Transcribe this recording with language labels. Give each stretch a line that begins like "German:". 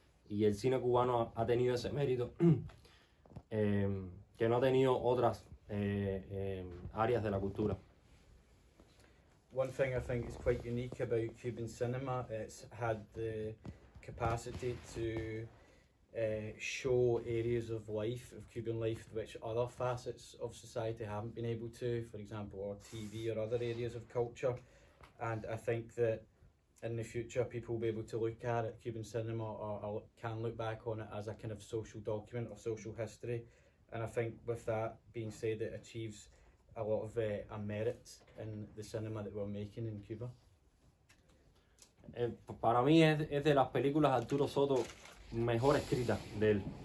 Spanish: Y el cine cubano ha tenido ese mérito que no ha tenido otras áreas de la cultura.
English: One thing I think is quite unique about Cuban cinema, it's had the capacity to show areas of life, of Cuban life, which other facets of society haven't been able to, for example, or TV or other areas of culture. And I think that in the future people will be able to look at it, Cuban cinema, or can look back on it as a kind of social document or social history. And I think with that being said, it achieves a lot of a merit in the cinema that we're making in Cuba.
Spanish: Para mí es de las películas Arturo Sotto mejor escrita de él.